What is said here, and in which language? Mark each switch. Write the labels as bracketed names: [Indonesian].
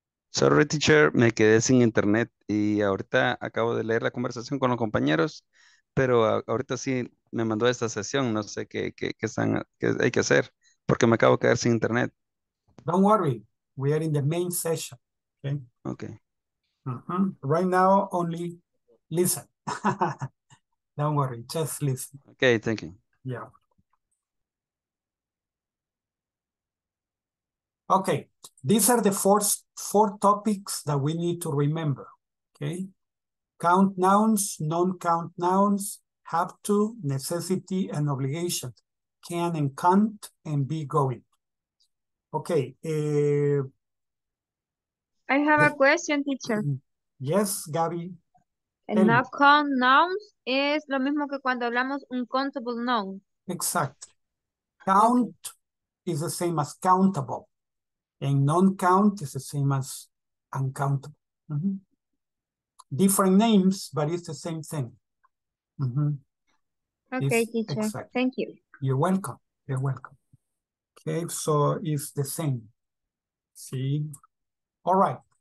[English] Sorry, teacher, [Spanish] me quedé sin internet y ahorita acabo de leer la conversación con los compañeros, pero ahorita sí me mandó a esta sesión, no sé qué hay que hacer, porque me acabo de quedar sin internet. [English] Don't worry, we are in the main session, okay? Okay. Uh-huh. Right now, only listen. Don't worry, just listen. Okay, thank you. Yeah. Okay, these are the four topics that we need to remember. Okay, count nouns, non-count nouns, have to, necessity, and obligation, can and can't, and be going. Okay. I have a question, teacher. Yes, Gabby. [Spanish] El no count nouns es lo mismo que cuando hablamos un countable noun. [English] Exactly. Count is the same as countable. And non-count is the same as uncountable. Mm-hmm. different names, but it's the same thing. Mm-hmm. Okay, teacher. Exact. Thank you. You're welcome. You're welcome. Okay, so it's the same. See? All right.